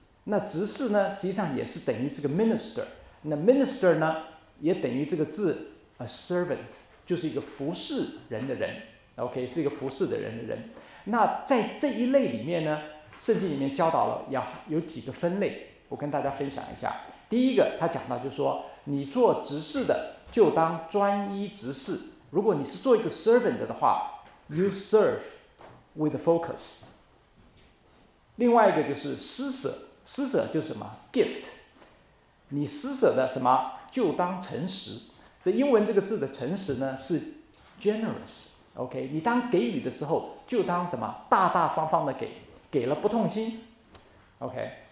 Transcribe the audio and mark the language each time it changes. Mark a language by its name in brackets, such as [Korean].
[Chinese] 那执事呢实际上也是等于这个 minister， 那 minister 呢也等于这个字 a servant， 就是一个服侍人的人， OK， 是一个服侍的人的人。那在这一类里面呢，圣经里面教导了要有几个分类，我跟大家分享一下。第一个他讲到就是说你做执事的就当专一执事。如果你是做一个 servant 的话， [English] you serve with focus。 [Chinese] 另外一个就是施舍，施舍就是什么 gift， 你施舍的什么就当诚实。英文这个字的诚实呢是 generous， OK， 你当给予的时候就当什么大大方方的给，给了不痛心， OK。